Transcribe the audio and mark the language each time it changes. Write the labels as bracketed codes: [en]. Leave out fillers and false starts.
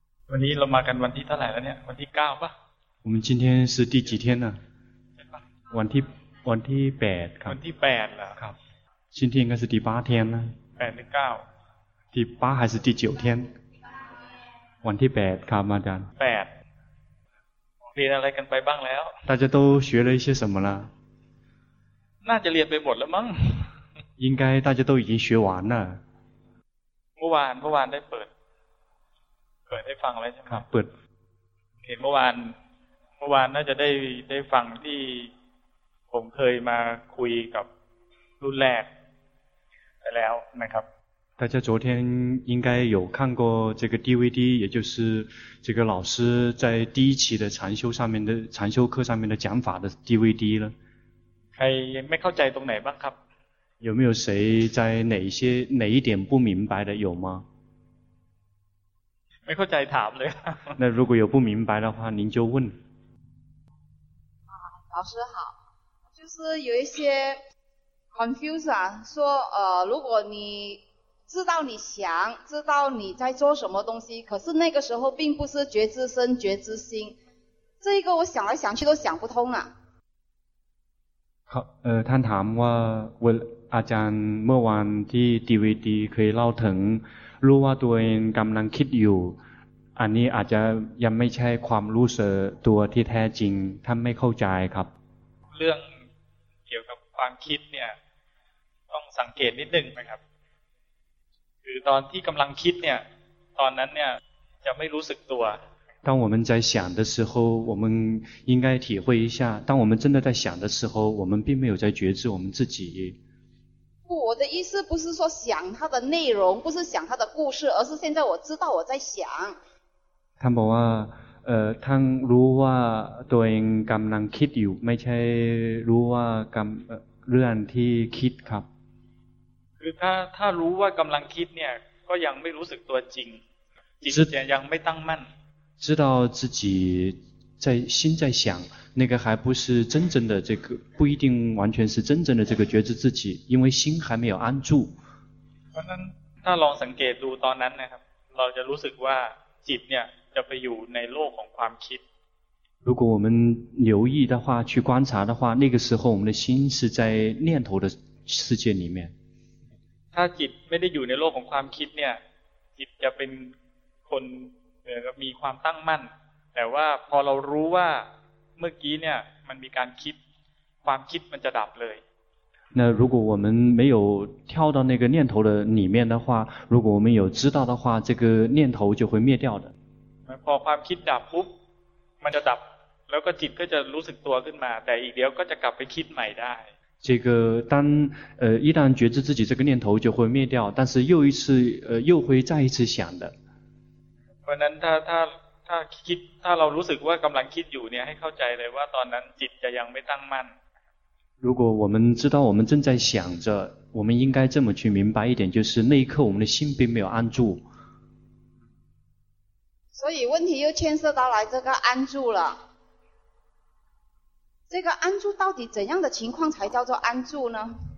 [th] วันนี้เรามากันวันที่เท่าไหร่แล้วเนี่ยวันที่9ป่ะ [zh] 我们今天是第几天呢 [th] วันที่8ครับ วันที่8เหรอ [zh] ครับ今天应该是第8天呢 [th] 8หรือ9 [zh] 第8还是第9天 [th] วันที่8ครับอาจารย์8เรียนอะไรกันไปบ้างแล้ว [zh] 大家都学了一些什么了 [th] น่าจะเรียนไปหมดแล้วมั้ง [zh] 应该大家都已经学完了 [th] เมื่อวานได้เปิดได้ฟังอะไรใช่ไหม ครับเปิด เห็นเมื่อวานน่าจะได้ฟังที่ผมเคยมาคุยกับรุ่นแรกไปแล้วนะครับ [zh] 大家昨天应该有看过这个 DVD 也就是这个老师在第一期的禅修课上面的讲法的 DVD 了 [th] ใครไม่เข้าใจตรงไหนบ้างครับ [zh] 有没有谁在哪一点不明白的有吗？没空再谈了。那如果有不明白的话，您就问。啊，老师好，就是有一些 confuse 啊，说如果你知道你想，知道你在做什么东西，可是那个时候并不是觉知身、觉知心，这一个我想来想去都想不通啊。 [th] ท่านถามว่าวันอาจารย์เมื่อวานที่ DVD เคยเล่าถึงรู้ว่าตัวเองกำลังคิดอยู่อันนี้อาจจะยังไม่ใช่ความรู้สึกตัวที่แท้จริงท่านไม่เข้าใจครับ เรื่องเกี่ยวกับความคิดเนี่ยต้องสังเกตนิดนึงนะครับคือตอนที่กำลังคิดเนี่ยตอนนั้นเนี่ยจะไม่รู้สึกตัว [zh] 当我们在想的时候我们应该体会一下当我们真的在想的时候我们并没有在觉知我们自己不我的意思不是说想它的内容不是想它的故事而是现在我知道我在想 [th] ท่านบอกว่าท่านรู้ว่าตัวเองกำลังคิดอยู่ไม่ใช่รู้ว่ากำเรื่องที่คิดครับ คือถ้ารู้ว่ากำลังคิดเนี่ยก็ยังไม่รู้สึกตัวจริงจิตยังไม่ตั้งมั่น [zh] 知道自己在心在想那个还不是真正的这个不一定完全是真正的这个觉知自己因为心还没有安住 [th] 那ลองสังเกตดูตอนนั้นนะครับเราจะรู้สึกว่าจิตเนี่ยจะไปอยู่ในโลกของความคิด [zh] 如果我们留意的话去观察的话那个时候我们的心是在念头的世界里面 [th] ถ้าจิตไม่ได้อยู่ในโลกของความคิดเนี่ยจิตจะเป็นคนมีความตั้งมั่นแต่ว่าพอเรารู้ว่าเมื่อกี้เนี่ยมันมีการคิดความคิดมันจะดับเลย [zh] 那如果我们没有跳到那个念头的里面的话如果我们有知道的话这个念头就会灭掉的 [th] พอความคิดดับปุ๊บมันจะดับแล้วก็จิตก็จะรู้สึกตัวขึ้นมาแต่อีกเดี๋ยวก็จะกลับไปคิดใหม่ได้ [zh] 这个当一旦觉知自己这个念头就会灭掉但是又一次又会再一次想的 [th] เพราะนั้นถ้าคิดถ้าเรารู้สึกว่ากำลังคิดอยู่เนี่ยให้เข้าใจเลยว่าตอนนั้นจิตจะยังไม่ตั้งมั่น [zh] 如果我们知道我们正在想着我们应该这么去明白一点就是那一刻我们的心并没有安住所以问题又牵涉到来这个安住了这个安住到底怎样的情况才叫做安住呢